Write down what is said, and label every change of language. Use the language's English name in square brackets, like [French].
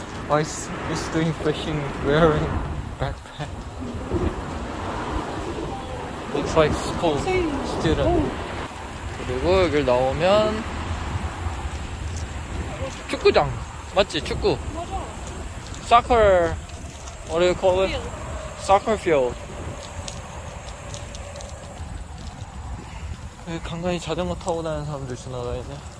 [English] 아이스, he's doing fishing wearing backpack. Looks like school student. [Korean] 그리고 여길 나오면 축구장. 맞지? 축구. [English] Soccer, what do you call it? Soccer field. [Korean] 여기 간간히 자전거 타고 다니는 사람들 지나다니네.